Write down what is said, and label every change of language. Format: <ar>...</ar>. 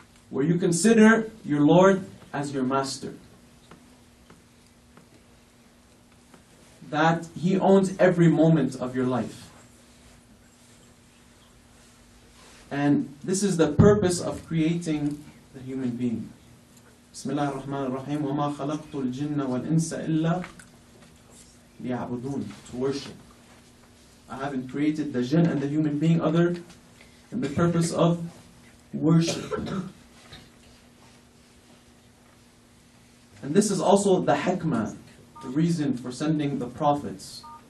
<en>Where you consider your Lord as your master. That He owns every moment of your life. And this is the purpose of creating the human being.</en> <ar>Bismillah ar-Rahman ar-Rahim. وَمَا خَلَقْتُ الْجِنَّ وَالْإِنسَ إِلَّا لِيَعْبُدُونَ</ar> <en>To worship. I haven't created the jinn and the human being other than the purpose of worship. And this is also the hikmah. The reason for sending the prophets.</en>